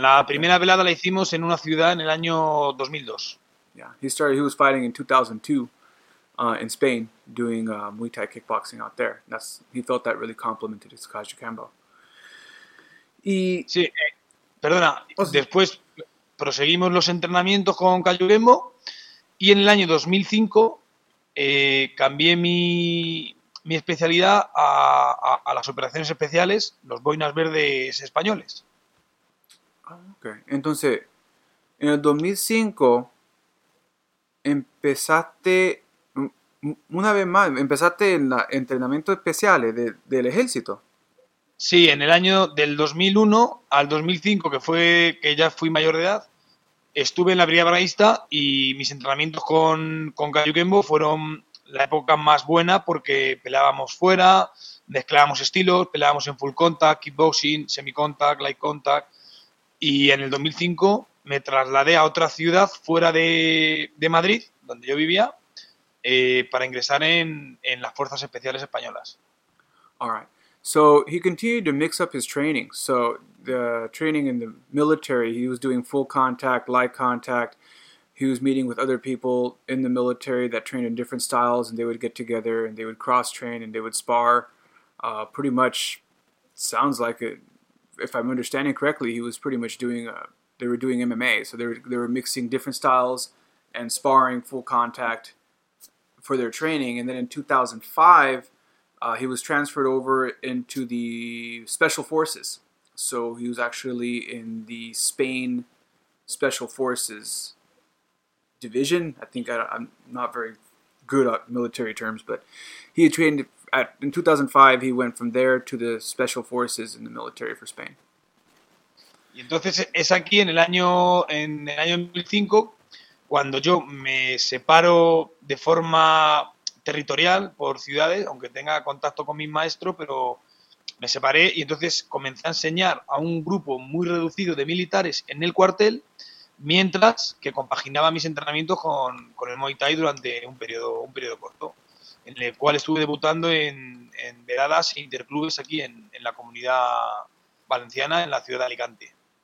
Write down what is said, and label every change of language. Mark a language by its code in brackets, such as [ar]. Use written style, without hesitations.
[es] La primera velada la hicimos en una ciudad en el año 2002. [en] Yeah, he was fighting in 2002. In Spain, doing Muay Thai kickboxing out there. He felt that really complemented his Kaju Kembo. [es] Sí, perdona. Después proseguimos los entrenamientos con Kayu Kembo y en el año 2005 cambié mi especialidad a las operaciones especiales, los boinas verdes españoles. Okay. Entonces, en el 2005 empezaste. Una vez más, empezaste en los entrenamientos especiales del ejército. Sí, en el año del 2001 al 2005, que fue que ya fui mayor de edad, estuve en la Brigada Paracaidista y mis entrenamientos con Kayu Kembo fueron la época más buena porque peleábamos fuera, mezclábamos estilos, peleábamos en full contact, kickboxing, semi-contact, light contact. Y en el 2005 me trasladé a otra ciudad fuera de Madrid, donde yo vivía, para ingresar en las Fuerzas Especiales Españolas. [en] All right. So he continued to mix up his training. So the training in the military, he was doing full contact, light contact. He was meeting with other people in the military that trained in different styles, and they would get together and they would cross train and they would spar. Pretty much sounds like it, if I'm understanding correctly, he was pretty much doing they were doing MMA, so they were mixing different styles and sparring full contact for their training. And then in 2005, he was transferred over into the Special Forces. So he was actually in the Spain Special Forces Division. I think I'm not very good at military terms, but he had trained in 2005. He went from there to the Special Forces in the military for Spain. [es] Y entonces es aquí en el año 2005 cuando yo me separo de forma territorial por ciudades, aunque tenga contacto con mi maestro, pero me separé y entonces comencé a enseñar a un grupo muy reducido de militares en el cuartel, mientras que compaginaba mis entrenamientos con el Muay Thai durante un periodo corto, en el cual estuve debutando en veladas e interclubes aquí en la comunidad valenciana, en la ciudad de Alicante.